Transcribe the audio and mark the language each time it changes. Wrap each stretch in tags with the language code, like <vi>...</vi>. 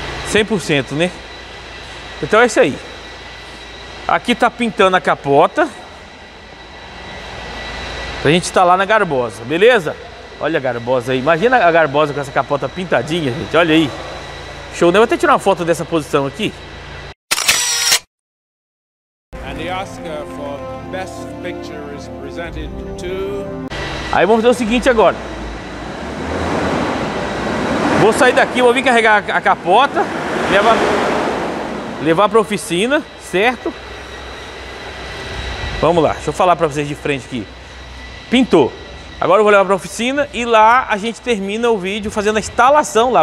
<pt>100%, né? Então é isso aí. Aqui tá pintando a capota. Pra gente instalar na Garbosa, beleza? Olha a Garbosa aí. Imagina a Garbosa com essa capota pintadinha, gente. Olha aí. Show, né? Vou até tirar uma foto dessa posição aqui.</pt> <en>And the Oscar for Best Picture is presented to...</en> <pt>Aí vamos fazer o seguinte agora. Vou sair daqui, vou vir carregar a capota. Levar pra oficina, certo? Vamos lá, deixa eu falar pra vocês de frente aqui. Pintou. Agora eu vou levar pra oficina e lá a gente termina o vídeo fazendo a instalação lá.</pt>